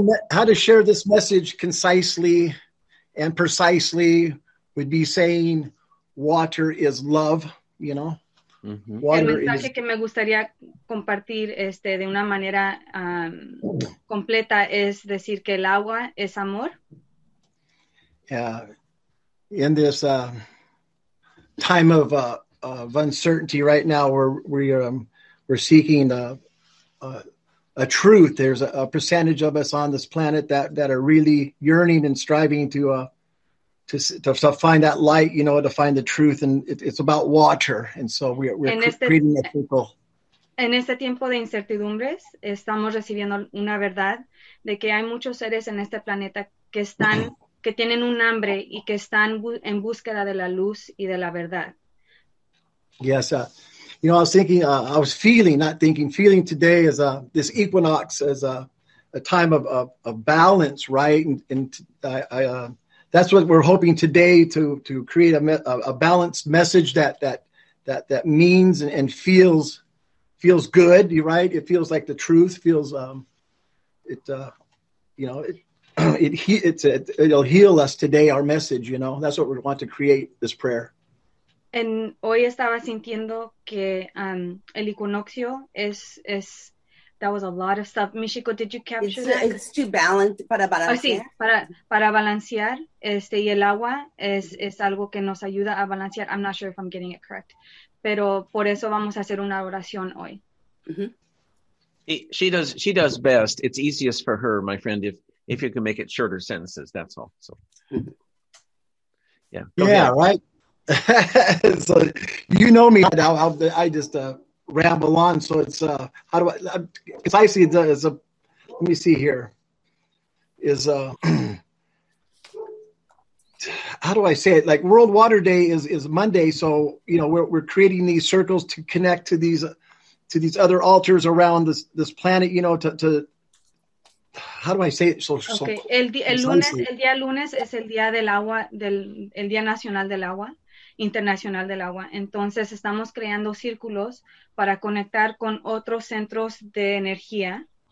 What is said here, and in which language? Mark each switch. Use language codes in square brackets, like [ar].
[en] How to share this message concisely and precisely would be saying water is love, you know? Mm-hmm. [es] El mensaje que me gustaría compartir de una manera completa es decir que el agua es amor. [en] In this time of uncertainty right now, we're seeking a truth. There's a percentage of us on this planet that are really yearning and striving to find that light, you know, to find the truth, and it's about water, and so we're creating a circle. [es] En este tiempo de incertidumbres, estamos recibiendo una verdad de que hay muchos seres en este planeta que están que tienen un hambre y que están en búsqueda de la luz y de la verdad. [en] Yes, you know, I was thinking, I was feeling, not thinking, feeling today as this equinox as a time of balance, right? And that's what we're hoping today to create a balanced message that means and feels good, right? It feels like the truth feels it'll heal us today, our message, you know. That's what we want to create, this prayer. And [es] hoy estaba sintiendo que el equinoccio es [en] that was a lot of stuff. Michiko, did you capture it's, that? It's to balance, [es] para balancear. Sí, para balancear, y el agua es algo que nos ayuda a balancear. [en] I'm not sure if I'm getting it correct. [es] Pero por eso vamos a hacer una oración hoy. [en] Mm-hmm. She does best. It's easiest for her, my friend, if you can make it shorter sentences, that's all. So, Yeah, right. So, you know me now. I just ramble on. So it's how do I? Because I see it as a. Let me see here. Is how do I say it? Like World Water Day is Monday. So you know we're creating these circles to connect to these other altars around this planet. You know to. How do I say it? [es] El día lunes es el día del agua, el día nacional del agua, internacional del agua. Entonces estamos creando círculos para conectar con otros centros de energía.